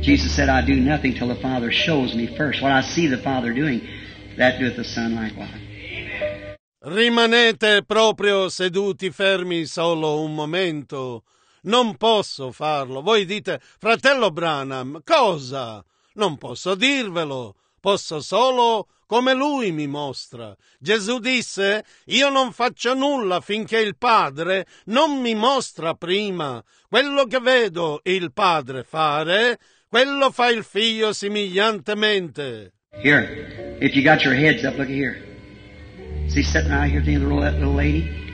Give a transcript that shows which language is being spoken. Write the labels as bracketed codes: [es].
[en] Jesus said, I do nothing till the Father shows me first. What I see the Father doing, that doeth the Son likewise. [it] Rimanete proprio seduti fermi solo un momento. Non posso farlo. Voi dite, fratello Branham, cosa? Non posso dirvelo. Posso solo come lui mi mostra. Gesù disse, io non faccio nulla finché il Padre non mi mostra prima. Quello che vedo il Padre fare, quello fa il Figlio similiantemente. [en] Here, if you got your heads up, look here. See, sitting right here at the end of the row, that little lady?